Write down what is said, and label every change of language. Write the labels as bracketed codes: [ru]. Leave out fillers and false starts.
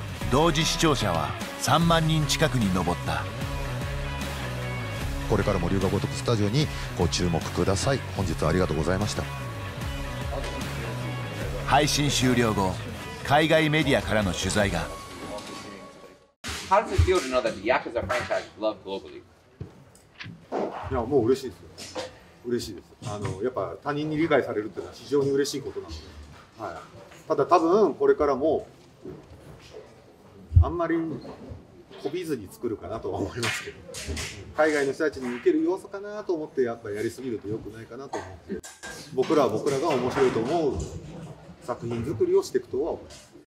[ja] 同時視聴者は3万人近くに上った。これからも龍が如くスタジオにご注目ください。本日はありがとうございました。配信終了後、海外メディアからの取材が。 [en] How does it feel to know that the Yakuza franchise is loved globally? [ja] いや、もう嬉しいですよ。嬉しいです。やっぱ他人に理解されるっていうのは非常に嬉しいことなので、はい。ただ多分これからもあんまりこびずに作るかなとは思いますけど、海外の人たちに受ける要素かなと思ってやっぱやりすぎると良くないかなと思って、僕らは僕らが面白いと思う作品作りをしていくとは思います。